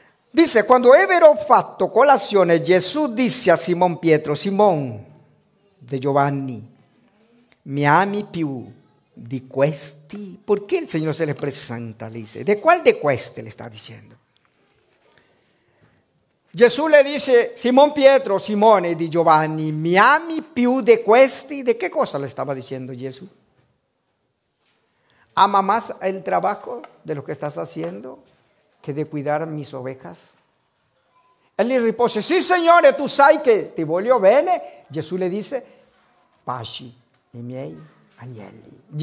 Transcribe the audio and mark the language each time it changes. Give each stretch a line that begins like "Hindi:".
Italian: Dice: quando ebbero fatto colazione, Gesù disse a Simon Pietro: Simon de Giovanni, mi ami più di questi? Perché il Signore se le presenta? Le dice: di qual di queste le sta dicendo? Gesù le dice: Simon Pietro, Simone di Giovanni, mi ami più di questi? Di che cosa le stava dicendo Gesù?
Spanish: Ama más el trabajo de lo que estás haciendo que de cuidar mis ovejas.
Italian: Él le ripose: sí, Signore, tu sai che ti voglio bene. Gesù le dice: pasci i miei agnelli.